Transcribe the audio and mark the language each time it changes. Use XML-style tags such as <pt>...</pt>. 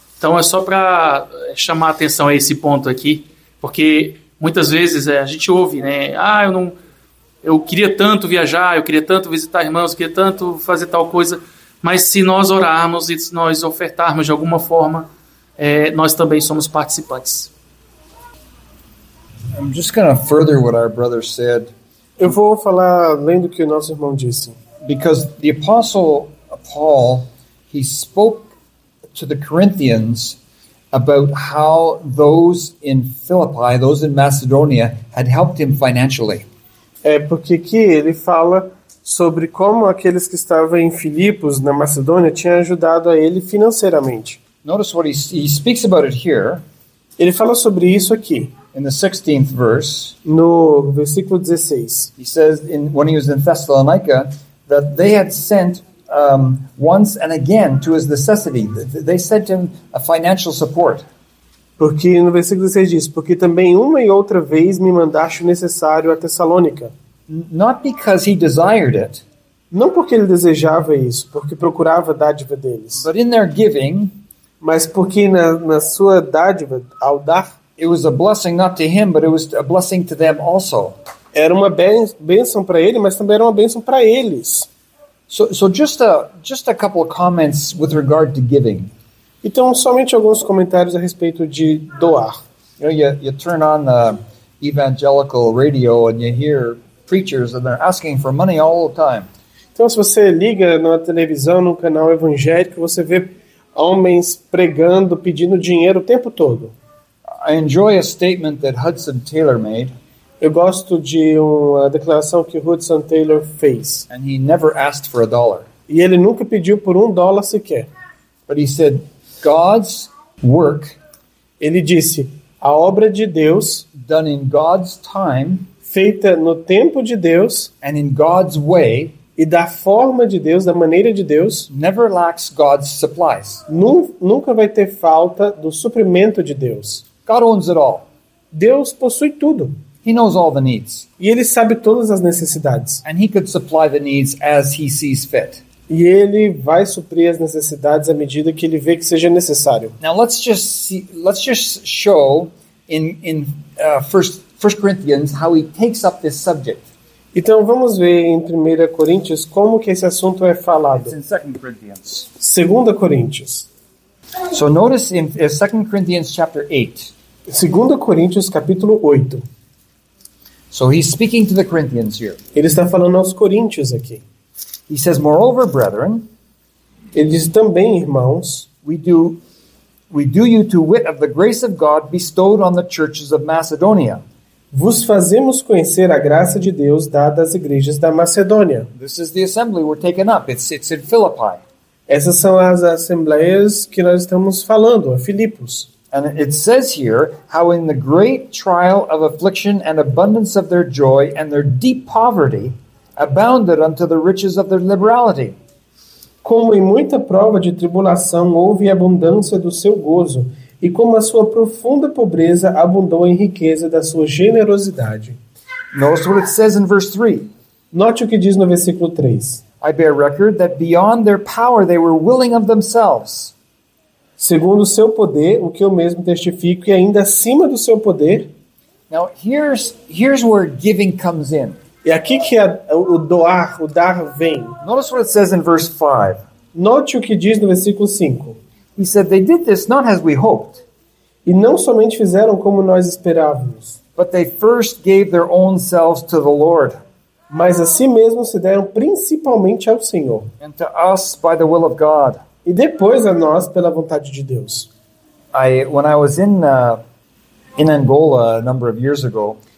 <pt>Então é só para chamar a atenção a esse ponto aqui, porque muitas vezes a gente ouve, né? Eu queria tanto viajar, eu queria tanto visitar irmãos, eu queria tanto fazer tal coisa, mas se nós orarmos e se nós ofertarmos de alguma forma, nós também somos participantes.</pt> <en>I'm just going to further what our brother said.</en> <pt>Eu vou falar lendo o que o nosso irmão disse.</pt> <en>Because the apostle Paul, he spoke to the Corinthians about how those in Philippi, those in Macedonia, had helped him financially.</en> <pt>É porque que ele fala sobre como aqueles que estavam em Filipos, na Macedônia, tinham ajudado a ele financeiramente.</pt> <en>Notice what he speaks about it here.</en> <pt>Ele fala sobre isso aqui.</pt> <en>In the 16th verse.</en> <pt>No versículo 16.</pt> <en>He says, when he was in Thessalonica, that they had sent once and again to his necessity. They sent him a financial support.</en> <pt>Porque no versículo 16 diz, porque também uma e outra vez me mandaste o necessário a Tessalônica.</pt> <en>Not because he desired it.</en> <pt>Não porque ele desejava isso, porque procurava a dádiva deles.</pt> <en>But in their giving,</en> <pt>mas porque na sua dádiva, ao dar,</pt> <en>it was a blessing not to him, but it was a blessing to them also.</en> <pt>Era uma bênção para ele, mas também era uma bênção para eles.</pt> <en>So just a couple of comments with regard to giving.</en> <pt>Então somente alguns comentários a respeito de doar.</pt> <en>You know, you turn on the evangelical radio and you hear preachers and they're asking for money all the time.</en> <pt>Então se você liga na televisão, no canal evangélico, você vê homens pregando, pedindo dinheiro o tempo todo.</pt> <en>I enjoy a statement that Hudson Taylor made.</en> <pt>Eu gosto de uma declaração que Hudson Taylor fez.</pt> <en>And he never asked for a dollar.</en> <pt>E ele nunca pediu por um dólar sequer.</pt> <en>But he said, God's work,</en> <pt>ele disse, a obra de Deus,</pt> <en>done in God's time,</en> <pt>feita no tempo de Deus,</pt> <en>and in God's way,</en> <pt>e da forma de Deus, da maneira de Deus,</pt> <en>never lacks God's supplies.</en> <pt>Nunca vai ter falta do suprimento de Deus.</pt> <en>God owns it all.</en> <pt>Deus possui tudo.</pt> <en>He knows all the needs.</en> <pt>E ele sabe todas as necessidades.</pt> <en>And he could supply the needs as he sees fit.</en> <pt>E ele vai suprir as necessidades à medida que ele vê que seja necessário.</pt> <en>Now let's just show in First Corinthians how he takes up this subject.</en> <pt>Então vamos ver em 1 Coríntios como que esse assunto é falado. 2 Coríntios.</pt> <en>So notice in 2 Corinthians chapter 8.</en> <pt>2 Coríntios capítulo 8.</pt> <en>So he's speaking to the Corinthians here.</en> <pt>Ele está falando aos coríntios aqui.</pt> <en>He says, moreover, brethren,</en> <pt>ele diz também, irmãos,</pt> <en>we do you to wit of the grace of God bestowed on the churches of Macedonia.</en> <pt>Vos fazemos conhecer a graça de Deus dada às igrejas da Macedônia.</pt> <en>This is the assembly we're taking up. It's in Philippi.</en> <pt>Essas são as assembleias que nós estamos falando, a Filipos.</pt> <en>And it says here how in the great trial of affliction and abundance of their joy and their deep poverty abounded unto the riches of their liberality.</en> <pt>Como em muita prova de tribulação houve abundância do seu gozo, e como a sua profunda pobreza abundou em riqueza da sua generosidade.</pt> <en>Notice what it says in verse 3.</en> <pt>Note o que diz no versículo 3.</pt> <en>I bear record that beyond their power they were willing of themselves.</en> <pt>Segundo o seu poder, o que eu mesmo testifico, e ainda acima do seu poder.</pt> <en>Now here's where giving comes in.</en> <pt>E aqui que o doar, o dar vem.</pt> <en>Notice what it says in verse 5.</en> <pt>Note o que diz no versículo 5.</pt> <en>He said they did this not as we hoped.</en> <pt>E não somente fizeram como nós esperávamos.</pt> <en>But they first gave their own selves to the Lord.</en> <pt>Mas a si mesmos se deram principalmente ao Senhor.</pt> <en>And to us by the will of God.</en> <pt>E depois a nós pela vontade de Deus.</pt> <en>When I was in Angola a number of years ago.</en>